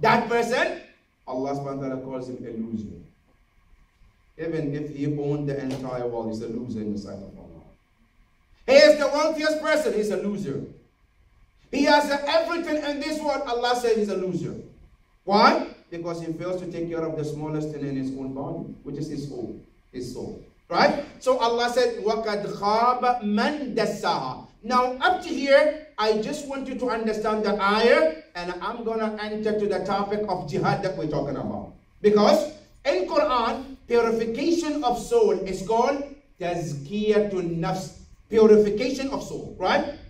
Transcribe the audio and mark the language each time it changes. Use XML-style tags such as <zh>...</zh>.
<en>That person, Allah</en> <ar>سبحانه وتعالى</ar> <en>calls him a loser. Even if he owned the entire world, he's a loser in the sight of Allah. He is the wealthiest person, he's a loser. He has everything in this world, Allah says he's a loser. Why? Because he fails to take care of the smallest thing in his own body, which is his soul. His soul. Right? So Allah said,</en> <ar>وَقَدْ خَابَ مَنْ دَسَّهَا.</ar> <en>Now, up to here, I just want you to understand the ayah, and I'm going to enter to the topic of jihad that we're talking about. Because in Quran, purification of soul is called tazkiyatun nafs, purification of soul, right?</en>